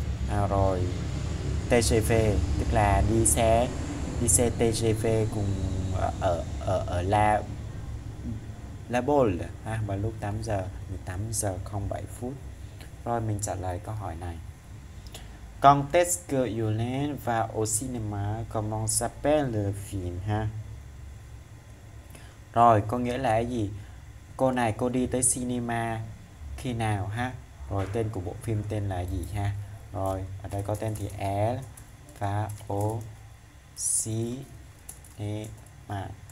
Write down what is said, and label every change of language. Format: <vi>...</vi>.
<vi>À, rồi TGV, tức là đi xe TGV cùng ở ở ở La La Bôle ha, vào lúc 8 giờ 18 giờ 07 phút. Rồi mình trả lời câu hỏi này.</vi> <fr>Quand est-ce que Yolène va au cinéma? Comment s'appelle le film ha?</fr> <vi>Rồi, có nghĩa là cái gì? Cô này cô đi tới cinema khi nào ha? Rồi tên của bộ phim tên là gì ha? Rồi, ở đây có tên thì L và O C E mà.</vi>